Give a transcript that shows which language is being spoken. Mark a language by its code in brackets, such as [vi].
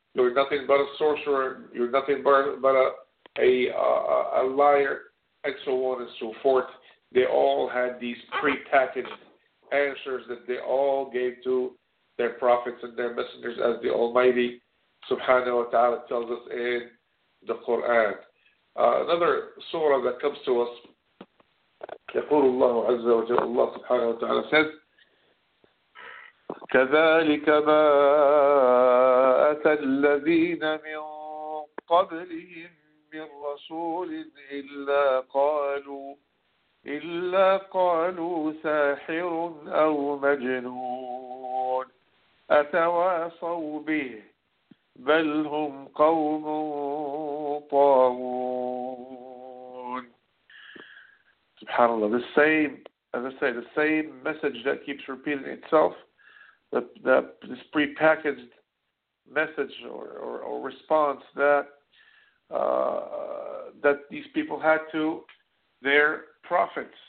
[en] You're nothing but a sorcerer. You're nothing but a liar, and so on and so forth. They all had these prepackaged answers that they all gave to their prophets and their messengers, as the Almighty subhanahu wa ta'ala tells us in the Quran. Another surah that comes to us, [ar] يقول الله عز وجل, [en] Allah subhanahu wa ta'ala says, [ar] كذلك ما أتى الذين من قبلهم من رسول إلا قالوا ساحر أو مجنون أتواصوا به بل هم قوم طاغون. سبحان الله. [en] The same message that keeps repeating itself. This prepackaged message or response that these people had to their prophets.